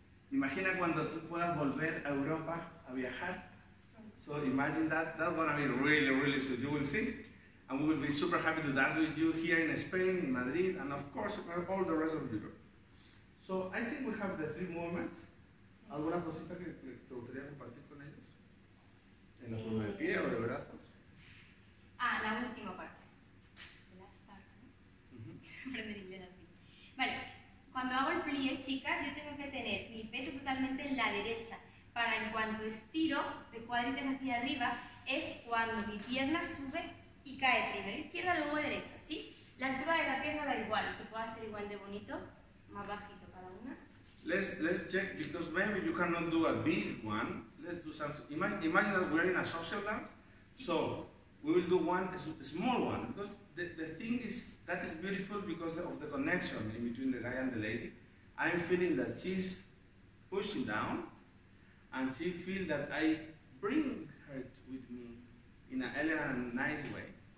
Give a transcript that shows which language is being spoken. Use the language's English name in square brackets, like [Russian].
[Spanish] Imagina cuando tú puedas volver a Europa a viajar. [English] So imagine that. That's gonna be really, really soon. You will see. And we will be super happy to dance with you here in Spain, in Madrid, and of course, all the rest of Europe. So I think we have the three movements. [Spanish] ¿Alguna cosita que te gustaría compartir con ellos? ¿En la forma de pie o de brazos? Ah, la última parte. [English] The last part, [Spanish] ¿no? Aprender inglés así. Vale, cuando hago el plié, chicas, yo tengo que tener mi peso totalmente en la derecha. Para en cuanto estiro de cuadritos hacia arriba, es cuando mi pierna sube y cae primero izquierda, luego derecha, ¿sí? La altura de la pierna da igual, se puede hacer igual de bonito, más bajito cada una. [English] Let's check, because maybe you cannot do a big one. Let's do something. Imagine that we're in a social dance. So we will do one, a small one. Because the thing is, that is beautiful because of the connection in between the guy and the lady. I'm feeling that she's pushing down, and she feels that I bring her with me in an elegant and nice way.